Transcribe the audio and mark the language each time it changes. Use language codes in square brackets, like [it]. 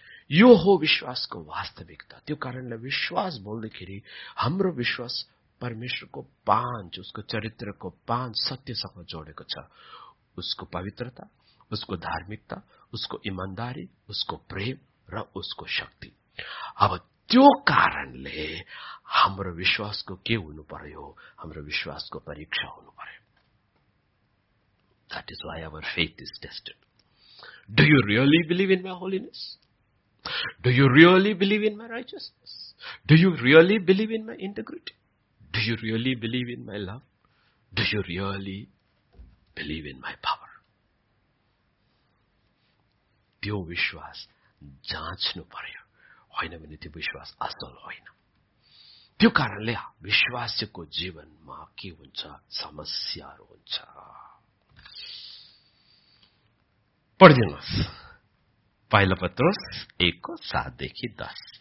[ne] यो हो विश्वासको वास्तविकता। त्यो कारणले विश्वास बोल्दाखेरि हाम्रो विश्वास परमेश्वरको पाँच, उसको चरित्रको पाँच सत्यसँग जोडेको छ, उसको पवित्रता, उसको धार्मिकता, उसको इमानदारी, उसको प्रेम र उसको शक्ति। अब त्यो कारणले हाम्रो विश्वासको के हुनु पर्यो? हाम्रो विश्वासको परीक्षा हुनु पर्यो। [en] That is why our faith is tested. Do you really believe in my holiness? Do you really believe in my righteousness? Do you really believe in my integrity? Do you really believe in my love? Do you really believe in my power? [ne] त्यो विश्वास जाँच्नु पर्यो, होइन भने त्यो विश्वास असल होइन। त्यो कारणले विश्वासको जीवनमा के हुन्छ? समस्याहरू हुन्छ। पढिदिनुहोस् पहिलो पत्रोस 1:7-10।